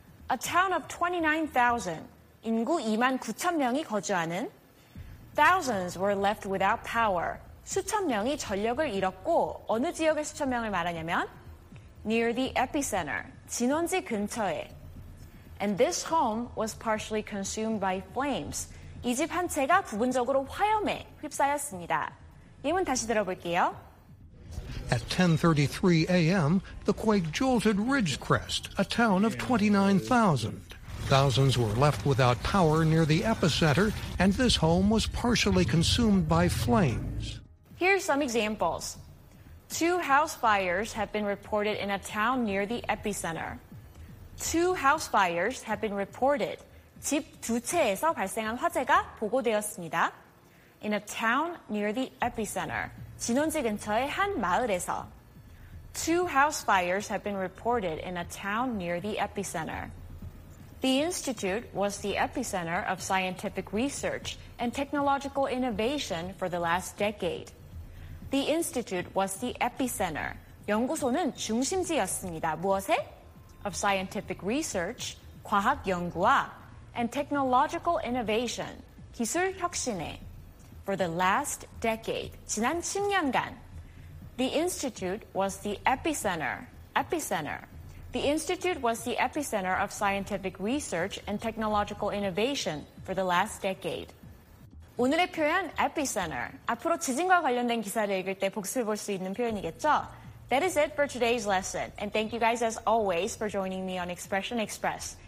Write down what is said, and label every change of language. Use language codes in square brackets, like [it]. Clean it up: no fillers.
[en] A town of 29,000, [ko] 인구 2만 9천 명이 거주하는 [en] Thousands were left without power. [ko] 수천 명이 전력을 잃었고 어느 지역의 수천 명을 말하냐면 [en] near the epicenter, [ko] 진원지 근처에. [en] And this home was partially consumed by flames. [ko] 이 집 한 채가 부분적으로 화염에 휩싸였습니다. 예문 다시 들어볼게요. [en] At 10:33 a.m., the quake jolted Ridgecrest, a town of 29,000. Thousands were left without power near the epicenter, and this home was partially consumed by flames. Here are some examples. Two house fires have been reported in a town near the epicenter. Two house fires have been reported. [ko] 집 두 채에서 발생한 화재가 보고되었습니다. [en] In a town near the epicenter. [ko] 진원지 근처의 한 마을에서. [en] Two house fires have been reported in a town near the epicenter. The Institute was the epicenter of scientific research and technological innovation for the last decade. The Institute was the epicenter. [ko] 연구소는 중심지였습니다. 무엇에? [en] Of scientific research, [ko] 과학 연구와, [en] and technological innovation, [ko] 기술 혁신에. [en] For the last decade, [ko] 지난 10년간, [en] the Institute was the epicenter, epicenter. The Institute was the epicenter of scientific research and technological innovation for the last decade. [ko] 오늘의 표현 epicenter. 앞으로 지진과 관련된 기사를 읽을 때 복습해 볼 수 있는 표현이겠죠? [en] That is it for today's lesson. And thank you guys as always for joining me on Expression Express.